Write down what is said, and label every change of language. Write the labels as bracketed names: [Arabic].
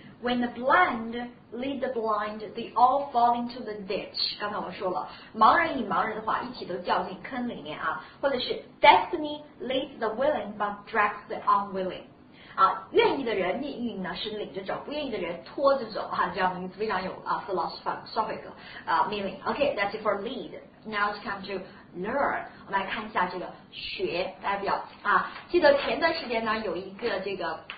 [English] When the blind lead the blind, they all fall into the ditch. [Chinese] 刚才我说了，盲人引盲人的话，一起都掉进坑里面啊。或者是 [English] destiny leads the willing, but drags the unwilling. [Chinese] 啊，愿意的人命运呢是领着走，不愿意的人拖着走啊。这样的名字非常有啊 philosophic 啊 meaning. [English] Okay, that's it for lead. Now it's come to learn. [Chinese] 我们来看一下这个学代表啊。记得前段时间呢有一个这个。